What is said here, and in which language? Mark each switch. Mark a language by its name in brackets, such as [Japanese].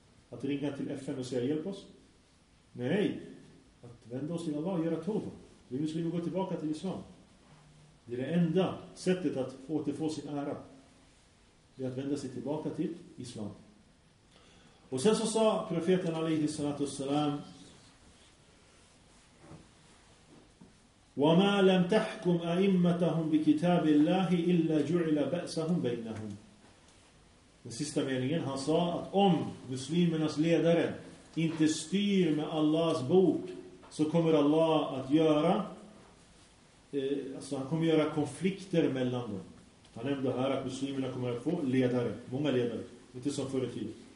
[Swedish] Att ringa till FN och säga hjälp oss? Nej. Att vända oss till Allah och göra tova. Vi måste gå tillbaka till islam. Det är det enda sättet att återfå sin ära. Det är att vända sig tillbaka till islam. Och sen så sa profeten alaihi salatu wassalam: [Arabic] وَمَا لَمْ تَحْكُمْ أَئِمَّتَهُمْ بِكِتَابِ اللَّهِ إِلَّا جُعِلَ بَأْسَهُمْ بَيْنَهُمْ. [Swedish] Den sista meningen, han sa att om muslimernas ledare inte styr med Allahs bok, så kommer Allah att göra han kommer göra konflikter mellan dem. Han nämnde här att muslimerna kommer att få ledare, många ledare, inte som förr i tiden.